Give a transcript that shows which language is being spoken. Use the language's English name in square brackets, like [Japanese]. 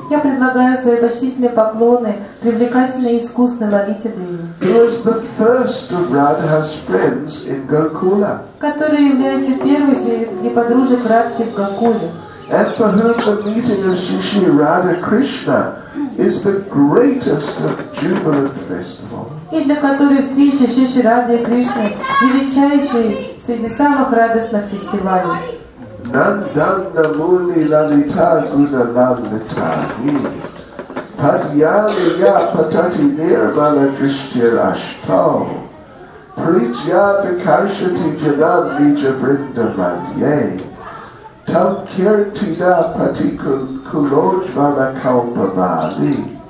[Russian] Я предлагаю свои почтительные поклоны привлекательной и искусной Лалите Деви. [English] Who is the first of Radha's friends in Gokula? [Russian] Которая является первой среди подружек Радхи в Гокуле. [English] And for whom the meeting of Shishi Radha Krishna is the greatest of jubilant festivals. [Russian] И для которой встреча Шиши Радхи и Кришны величайший среди самых радостных фестивалей. [Sanskrit] Нанданда муни лалита гуна лалитани Падьяна я патати нирмана криштирашто Причья пикаршати джанам виджа вринда мадье Там киртида пати кулоджвана калпавали.